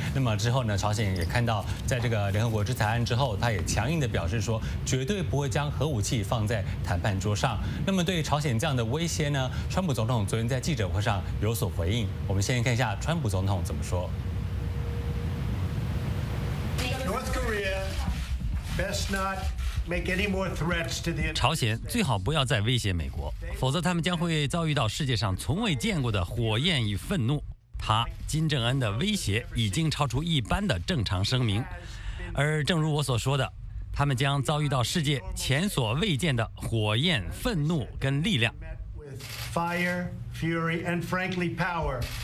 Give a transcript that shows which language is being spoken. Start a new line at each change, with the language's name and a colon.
Chinese: 那么之后呢，朝鲜也看到在这个联合国制裁案之后，他也强硬的表示说绝对不会将核武器放在谈判桌上。那么对于朝鲜这样的威胁呢，川普总统昨天在记者会上有所回应。我们先看一下川普总统怎么说。
English: North Korea best not make any more threats to the
Chinese: 朝鲜最好不要再威胁美国，否则他们将会遭遇到世界上从未见过的火焰与愤怒。他金正恩的威胁已经超出一般的正常声明，而正如我所说的，他们将遭遇到世界前所未见的火焰、愤怒跟力量。
English: Fire, fury and frankly power.